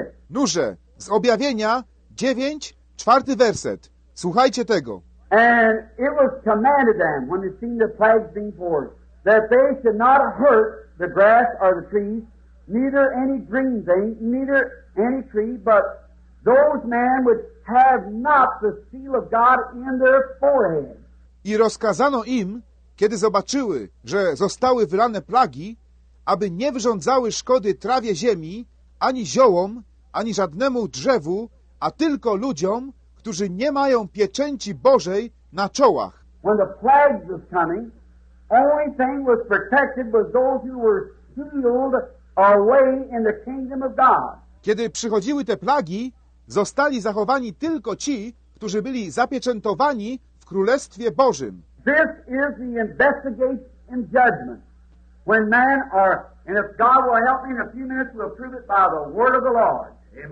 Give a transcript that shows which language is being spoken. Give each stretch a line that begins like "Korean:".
Polish: Nurze, z Objawienia 9, czwarty werset. Słuchajcie tego.
English: And it was commanded them when they seen the plagues being poured, that they should not hurt the grass or the trees, neither any green thing, neither any tree, but those men which have not the seal of God in their forehead.
Polish: I rozkazano im, kiedy zobaczyły, że zostały wylane plagi, aby nie wyrządzały szkody trawie ziemi, ani ziołom, ani żadnemu drzewu, a tylko ludziom, którzy nie mają pieczęci Bożej na czołach.
English: When the plagues was coming, only thing was protected was those who were sealed away in the kingdom of God.
Polish: Kiedy przychodziły te plagi, zostali zachowani tylko ci, którzy byli zapieczętowani w Królestwie Bożym.
English: This is the investigation in judgment. When men are, and if God will help me in a few minutes, we'll prove it by the word of the Lord.